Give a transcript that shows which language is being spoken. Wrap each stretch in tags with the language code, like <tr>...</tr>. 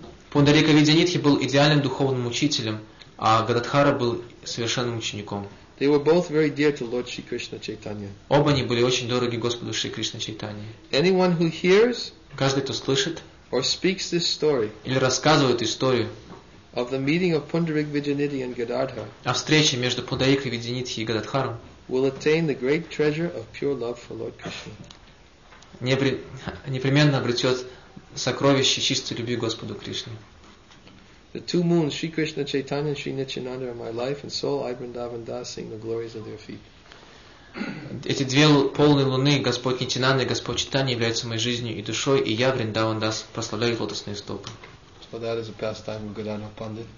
<ru>Пундарика Видянидхи был идеальным духовным учителем, а Гададхара был совершенным учеником.</ru> <en>They were both very dear to Lord Shri Krishna Chaitanya.</en> <ru>Оба они были очень дороги Господу Шри Кришна Чайтанье.</ru> <en>Anyone who hears,</en> <ru>каждый, кто слышит,</ru> <en>or speaks this story,</en> <ru>или рассказывает историю,</ru> <en>of the meeting of Pundarik Vidyanidhi and Gadadhar,</en> <ru>о встрече между Пундарикой Видянидхи и Гададхаром,</ru> <en>will attain the great treasure of pure love for Lord Krishna.</en> <ru>Непременно обретет сокровище чистой любви Господу Кришне.</ru> <en>The two moons, Sri Krishna Chaitanya and Sri Nityananda, are my life and soul. I, Vrindavan Das, sing the glories of their feet.</en> <ru>Эти две полные луны, Господь Нитинанда и Господь Чайтанья, являются моей жизнью и душой, и я, Вриндаван Дас, прославляю лотосные стопы.</ru> <en>So that is a pastime of Gadadhar Pandit.</en>